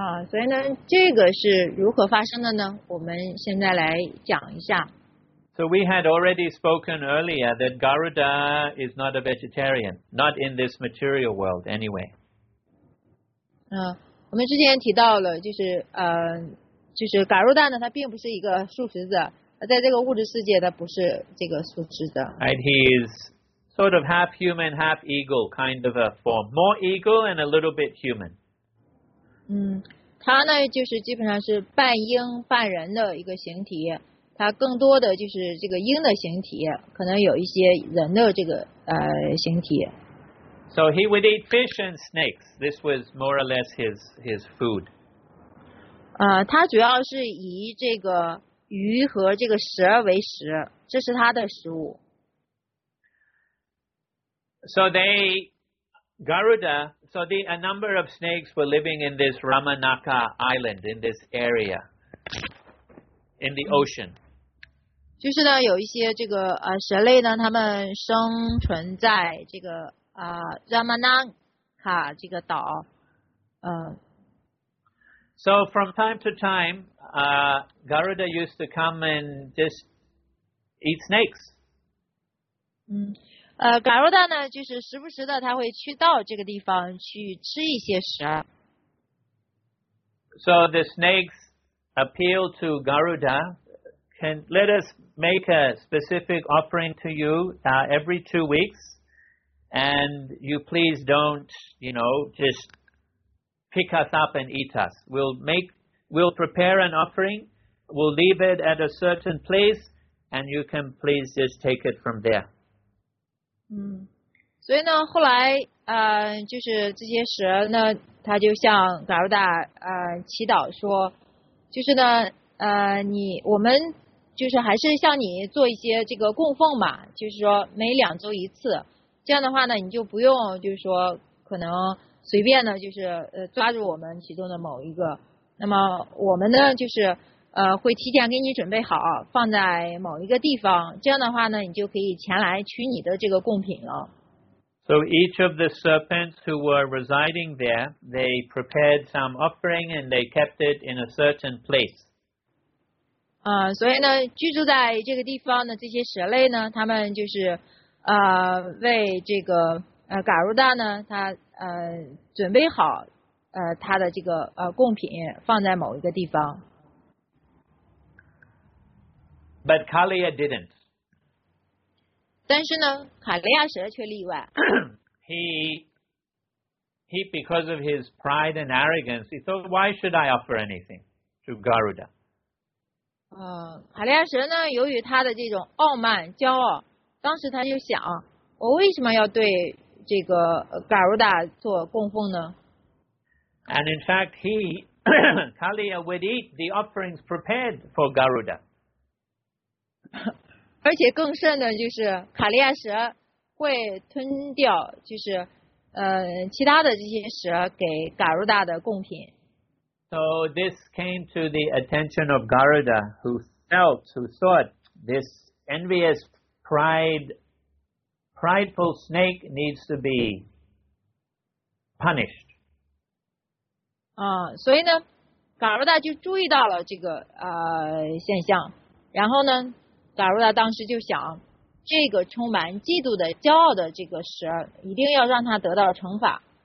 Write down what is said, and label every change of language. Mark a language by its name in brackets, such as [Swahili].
[Chinese] 所以呢，这个是如何发生的呢？我们现在来讲一下。 [English] So we had already spoken earlier that Garuda is not a vegetarian, not in this material world anyway. [Chinese] 我们之前提到了，就是嘎鲁达呢，它并不是一个素食者，在这个物质世界，它不是这个素食者。 [English] And he is sort of half human, half eagle kind of a form, more eagle and a little bit human. [Chinese] 它呢就是基本上是半鹰半人的一个形体，它更多的就是这个鹰的形体，可能有一些人的这个形体。 [English] So he would eat fish and snakes. This was more or less his food. [Chinese] 他主要是以这个鱼和这个蛇为食，这是他的食物。 [English] So they, Garuda, so the, a number of snakes were living in this Ramanaka island, in this area, in the ocean. [Chinese] 就是呢，有一些这个蛇类呢，它们生存在这个Ramanaka 这个岛。 [English] So from time to time, Garuda used to come and just eat snakes. [Chinese] 嘎鲁达呢，就是时不时的，他会去到这个地方去吃一些蛇。 [English] So the snakes appeal to Garuda, can let us make a specific offering to you every 2 weeks, and you please don't, you know, just pick us up and eat us. We'll prepare an offering, we'll leave it at a certain place, and you can please just take it from there. [Chinese] 所以呢，后来就是这些蛇呢，他就向嘎鲁达祈祷说，就是呢，我们就是还是向你做一些这个供奉嘛，就是说每两周一次，这样的话呢，你就不用就是说可能随便呢，就是抓住我们其中的某一个，那么我们呢就是会提前给你准备好，放在某一个地方。这样的话呢，你就可以前来取你的这个贡品了。 [English] So each of the serpents who were residing there, they prepared some offering and they kept it in a certain place. [Chinese] 所以呢，居住在这个地方的这些蛇类呢，他们就是为这个嘎鲁达呢，他准备好他的这个贡品，放在某一个地方。 [English] But Kaliya didn't. [Chinese] 但是呢，卡利亚蛇却例外。 [English] he because of his pride and arrogance, he thought, why should I offer anything to Garuda? [Chinese] 卡利亚蛇呢，由于他的这种傲慢、骄傲，当时他就想，我为什么要对这个嘎鲁达做供奉呢？ [English] And in fact, he Kaliya would eat the offerings prepared for Garuda. [Chinese] 而且更甚的就是卡利亚蛇会吞掉就是其他的这些蛇给嘎鲁达的贡品。 [English] So this came to the attention of Garuda, who thought this envious prideful snake needs to be punished. [Chinese] 所以呢，嘎鲁达就注意到了这个现象，然后呢，嘎鲁达当时就想，这个充满嫉妒的、骄傲的这个蛇，一定要让他得到惩罚。